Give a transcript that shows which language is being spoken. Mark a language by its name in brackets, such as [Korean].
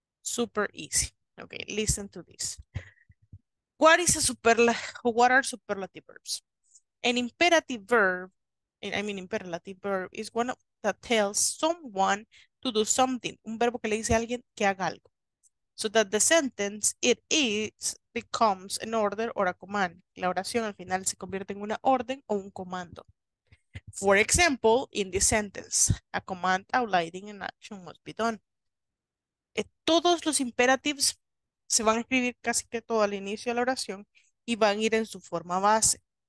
[English] Super easy. Ok, listen to this. What is a superlative? What are superlative verbs? An imperative verb, I mean imperative verb, is one that tells someone to do something. [Spanish] Un verbo que le dice a alguien que haga algo. [English] So that the sentence, it is, becomes an order or a command. [Spanish] La oración al final se convierte en una orden o un comando. [English] For example, in this sentence, a command outlining an action must be done. [Spanish] Todos los imperatives se van a escribir casi que todo al inicio de la oración y van a ir en su forma base.